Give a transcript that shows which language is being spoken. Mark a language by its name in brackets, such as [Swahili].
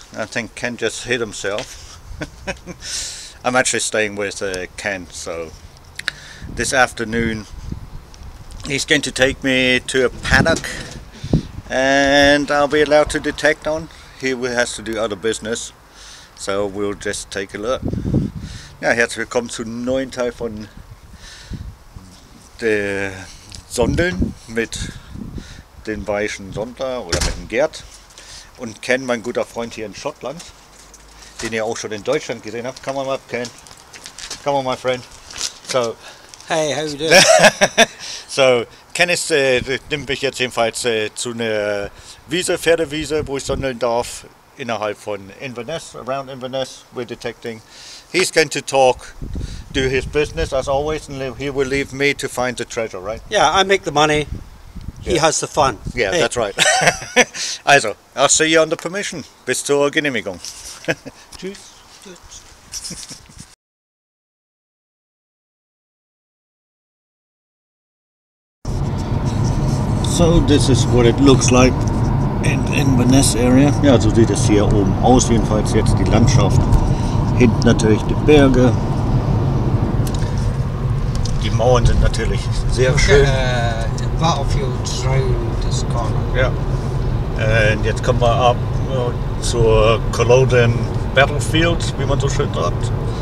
[English] I think Ken just hit himself. I'm actually staying with Ken, so this afternoon he's going to take me to a paddock and I'll be allowed to detect on. He has to do other business, so we'll just take a look. [German] Ja, herzlich willkommen zum neuen Teil von der Sondeln mit dem Bayerischen Sonder oder mit dem Gerd und Ken, mein guter Freund hier in Schottland, den ihr auch schon in Deutschland gesehen habt. [English] Come on up, Ken. Come on, my friend. So, hey, how are you doing? [German] So, Ken ist, nimmt mich jetzt jedenfalls zu einer Wiese, Pferdewiese, wo ich sondeln darf, innerhalb von Inverness, [English] around Inverness, we're detecting. He's going to talk, do his business as always, and he will leave me to find the treasure, right? Yeah, I make the money, he has the fun. Yeah, hey. That's right. Also, I'll see you on the permission. [German] Bis zur Genehmigung. Tschüss. Tschüss. [English] So, this is what it looks like in Inverness area. [German] Ja, so sieht es hier oben aus, jedenfalls jetzt die Landschaft. Hinten natürlich die Berge. Die Mauern sind natürlich sehr schön. [English] The battlefield through this corner. [German] Ja. Und jetzt kommen wir ab zur Culloden Battlefield, wie man so schön sagt.